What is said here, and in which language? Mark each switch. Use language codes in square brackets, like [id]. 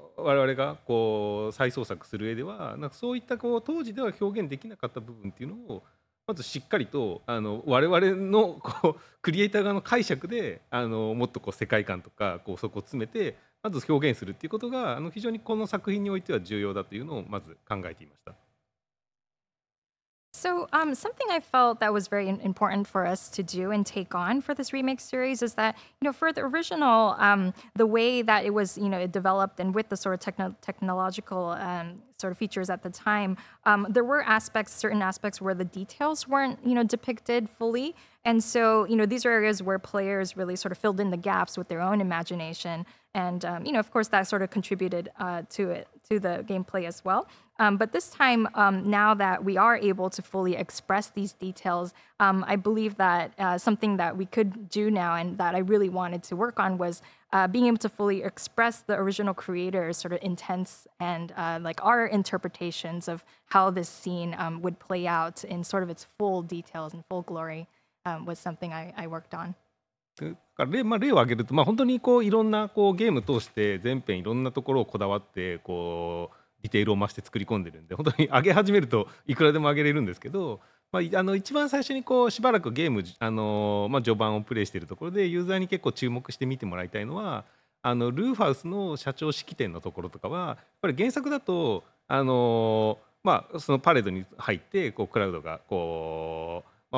[ja] 々がこう再創作する上では、なんかそういったこう当時では表現できなかった部分っていうのをまずしっかりと我々のこうクリエイター側の解釈でもっとこう世界観とかこうそこを詰めてまず表現するっていうことが非常にこの作品においては重要だというのをまず考えていました。 [en] So something I felt that was very important for us to do and take on for this remake series is that, you know, for the original, the way that it was, it developed and with the sort of technological sort of features at the time, there were certain aspects where the details weren't, depicted fully. And so, these are areas where players really sort of filled in the gaps with their own imagination. And, of course, that sort of contributed to the gameplay as well. But this time, now that we are able to fully express these details, I believe that something that we could do now and that I really wanted to work on was being able to fully express the original creator's sort of intents and our interpretations of how this scene would play out in sort of its full details and full glory was something I worked on. [ja] 例を挙げると、本当にこういろんなこうゲーム通して全編いろんなところをこだわってこうディテールを増して作り込んでるんで、本当に上げ始めるといくらでも上げれるんですけど、一番最初にこうしばらくゲーム序盤をプレイしているところでユーザーに結構注目して見てもらいたいのは、ルーファウスの社長式典のところとかはやっぱり原作だとそのパレードに入ってこうクラウドがこう